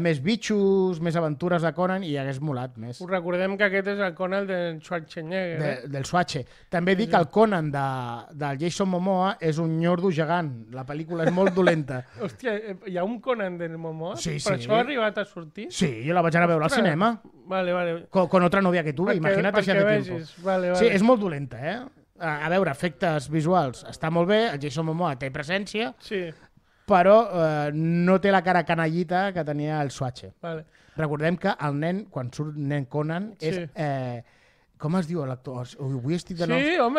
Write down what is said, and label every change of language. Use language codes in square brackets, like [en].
[ca] Més bitxos, més aventures de Conan i hagués molat més. Us recordem que aquest és el Conan del Schwarzenegger. Del Swatche. També dic que el Conan del Jason Momoa és un nyordo gegant. La pel·lícula és molt dolenta. Hòstia, hi ha un Conan del Momoa? Sí, però això ha arribat a sortir? Sí, jo la vaig anar a veure al cinema. Vale. [es] Con otra novia que tuve, [ca] imagina't [es] si ha de tiempo. [ca] Vale. Sí, és molt dolenta, eh? A veure, efectes visuals està molt bé, el Jason Momoa té presència, sí. però no té la cara canallita que tenia el Swatche. Vale. Recordem que el nen, quan surt nen Conan, sí. és... com es diu l'actor? Avui estic de nom